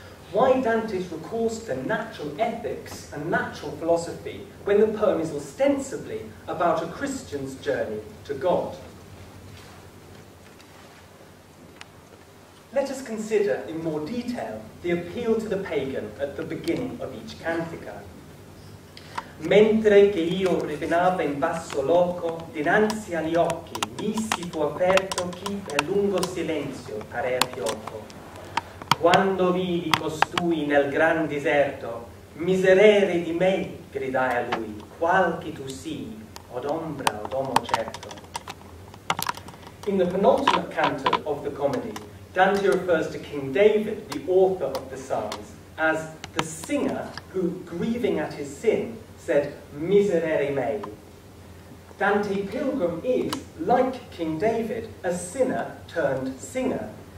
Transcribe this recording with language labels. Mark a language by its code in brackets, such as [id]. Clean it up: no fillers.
[en] Why Dante's recourse to natural ethics and natural philosophy when the poem is ostensibly about a Christian's journey to God? Let us consider in more detail the appeal to the pagan at the beginning of each cantica. [it] Mentre che io rivenava in basso loco, dinanzi agli occhi, mi si fu aperto chi per lungo silenzio parea fioco. Quando vidi costui nel gran deserto, miserere di me, gridai a lui, qual che tu sii, od ombra od omo certo. [en] In the penultimate canto of the comedy, Dante refers to King David, the author of the Psalms, as the singer who, grieving at his sin, said, miserere me. Dante Pilgrim is, like King David, a sinner turned singer.